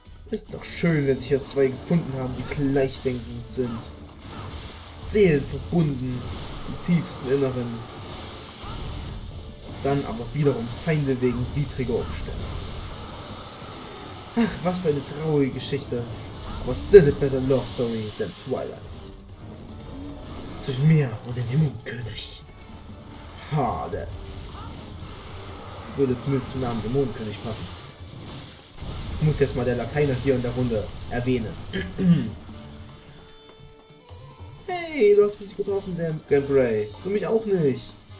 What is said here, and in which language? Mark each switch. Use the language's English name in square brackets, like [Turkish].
[German] Ist doch schön, wenn sich hier zwei gefunden haben, die gleichdenkend sind. Seelenverbunden im tiefsten Inneren. Dann aber wiederum Feinde wegen widriger Umstände. Ach, was für eine traurige Geschichte. [English] Aber still a better love story than Twilight. [German] Zwischen mir und dem Dämonenkönig. Hades. Würde zumindest zum Namen Dämonenkönig passen. Ich muss jetzt mal der Lateiner hier in der Runde erwähnen. Hey, du hast mich nicht getroffen, Gambray. Du mich auch nicht.